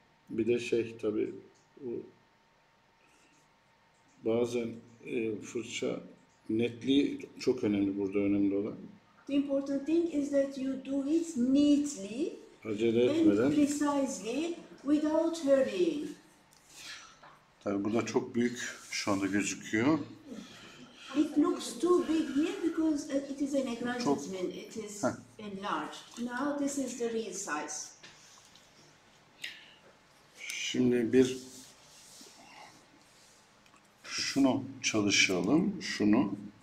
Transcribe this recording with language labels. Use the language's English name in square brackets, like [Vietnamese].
[Turkish] Bir de şey tabii bu bazen fırça netliği çok önemli burada, önemli olan. [English] The important thing is that you do it neatly, [Turkish] acele etmeden, [English] and precisely, without hurrying. [Turkish] Tabii burada çok büyük şu anda gözüküyor. [English] It looks too big here because it is an enlargement. It is enlarged. Now this is the real size. [Turkish] Şimdi bir şunu çalışalım, şunu.